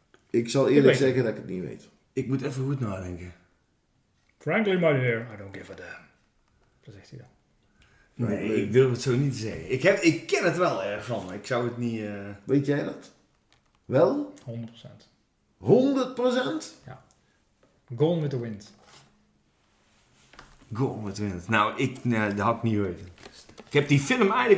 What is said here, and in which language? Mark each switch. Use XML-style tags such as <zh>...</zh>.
<nl>Ik zal eerlijk zeggen dat ik het niet weet. Ik moet even goed nadenken.</nl> <en>Frankly, my dear, I don't give a damn.</en> <nl>Dat zegt hij dan. Nee, ik durf het zo niet te zeggen. Ik ken het wel ervan. Ik zou het niet... Weet jij dat? Wel? 100%. 100%?</nl> <en>Ja. Gone with the Wind. Gone with the Wind.</en> <nl>Nou, dat had ik niet weten. Ik heb die film eigenlijk...</nl>